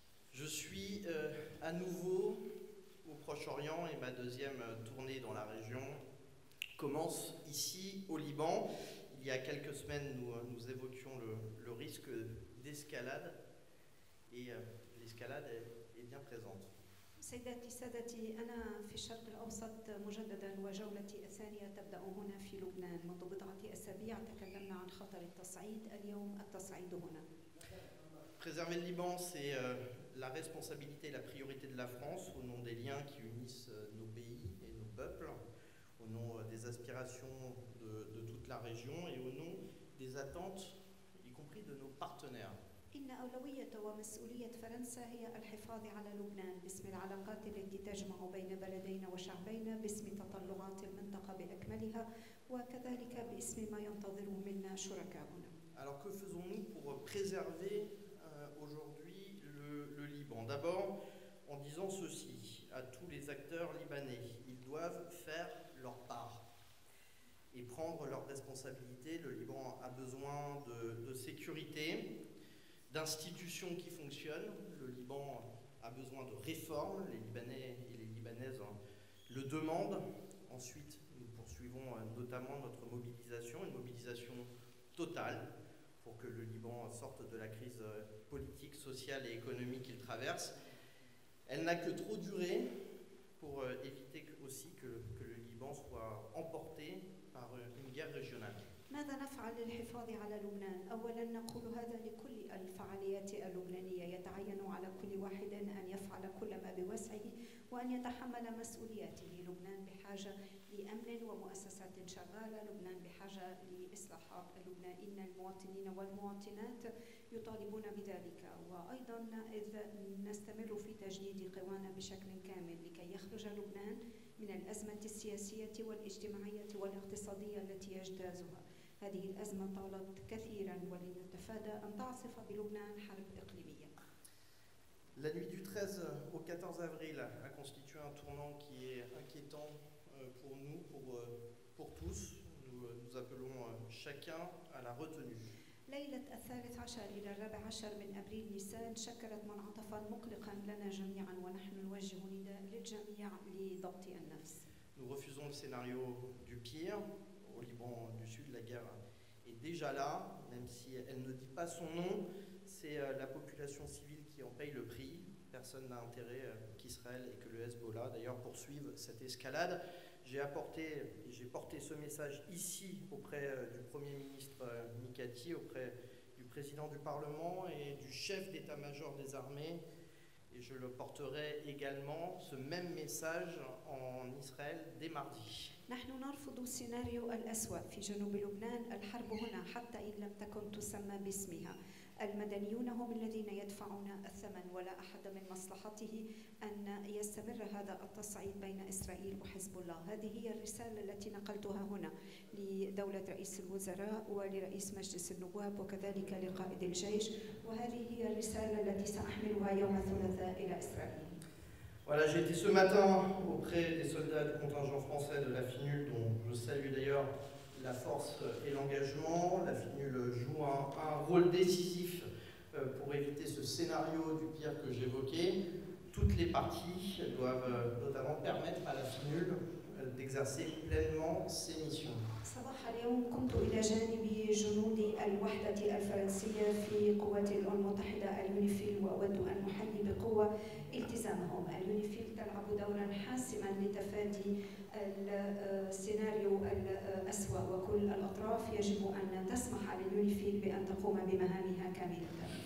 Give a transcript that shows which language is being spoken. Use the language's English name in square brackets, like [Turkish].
[French] Je suis à nouveau au Proche-Orient et ma deuxième tournée dans la région commence ici au Liban. Il y a quelques semaines, nous évoquions le risque d'escalade et l'escalade est bien présente. [Arabic] سيداتي سادتي أنا في الشرق الأوسط مجددا وجولتي الثانية تبدأ هنا في لبنان منذ بضعة أسابيع تكلمنا عن خطر التصعيد اليوم التصعيد هنا. [French] Préserver le Liban c'est la responsabilité et la priorité de la France au nom des liens qui unissent nos pays et nos peuples, au nom des aspirations de toute la région et au nom des attentes y compris de nos partenaires. [Arabic] إن أولوية ومسؤولية فرنسا هي الحفاظ على لبنان باسم العلاقات التي تجمع بين بلدينا وشعبينا باسم تطلعات المنطقة بأكملها وكذلك باسم ما ينتظر منا شركاؤنا. [French] Alors que faisons-nous pour préserver aujourd'hui le Liban? D'abord, en disant ceci à tous les acteurs libanais, ils doivent faire leur part et prendre leurs responsabilités. Le Liban a besoin de sécurité. D'institutions qui fonctionnent. Le Liban a besoin de réformes. Les Libanais et les Libanaises le demandent. Ensuite, nous poursuivons notamment notre mobilisation, une mobilisation totale pour que le Liban sorte de la crise politique, sociale et économique qu'il traverse. Elle n'a que trop duré pour éviter aussi que le Liban soit emporté par une guerre régionale. [Arabic] ماذا نفعل للحفاظ على لبنان؟ أولا نقول هذا لكل الفعاليات اللبنانية يتعين على كل واحد أن يفعل كل ما بوسعه وأن يتحمل مسؤولياته. لبنان بحاجة لأمن ومؤسسات شغالة. لبنان بحاجة لإصلاحات. لبنان إن المواطنين والمواطنات يطالبون بذلك. وأيضا إذا نستمر في تجديد قوانا بشكل كامل لكي يخرج لبنان من الأزمة السياسية والاجتماعية والاقتصادية التي يجتازها. هذه الأزمة طالت كثيرا ولنتفادى أن تعصف بلبنان حرب إقليمية. [French] La nuit du 13 au 14 avril a constitué un tournant qui est inquiétant pour nous, pour tous. Nous appelons chacun à la retenue. [Arabic] ليلة الثالث عشر إلى الرابع عشر من أبريل نيسان شكلت منعطفا مقلقا لنا جميعا ونحن نوجه نداء للجميع لضبط النفس. [French] Nous refusons le scénario du pire. Au Liban du Sud, la guerre est déjà là, même si elle ne dit pas son nom. C'est la population civile qui en paye le prix. Personne n'a intérêt qu'Israël et que le Hezbollah, d'ailleurs, poursuivent cette escalade. J'ai porté ce message ici auprès du Premier ministre Mikati, auprès du président du Parlement et du chef d'état-major des armées. Et je le porterai également, ce même message, en Israël dès mardi. [Arabic] نحن نرفض السيناريو الأسوأ في جنوب لبنان الحرب هنا حتى إن لم تكن تسمى باسمها المدنيون هم الذين يدفعون الثمن ولا أحد من مصلحته أن يستمر هذا التصعيد بين إسرائيل وحزب الله هذه هي الرسالة التي نقلتها هنا لدولة رئيس الوزراء ولرئيس مجلس النواب وكذلك لقائد الجيش وهذه هي الرسالة التي سأحملها يوم الثلاثاء إلى إسرائيل [French] Voilà, j'ai été ce matin auprès des soldats du contingent français de la FINUL, dont je salue d'ailleurs la force et l'engagement. La FINUL joue un rôle décisif pour éviter ce scénario du pire que j'évoquais. Toutes les parties doivent notamment permettre à la FINUL d'exercer pleinement ses missions. [Arabic] صباح اليوم كنت إلى جانب جنود الوحدة الفرنسية في قوات الأمم المتحدة اليونيفيل وأود أن أحيي بقوة التزامهم. اليونيفيل تلعب دورا حاسما لتفادي السيناريو الأسوأ وكل الأطراف يجب أن تسمح لليونيفيل بأن تقوم بمهامها كاملة.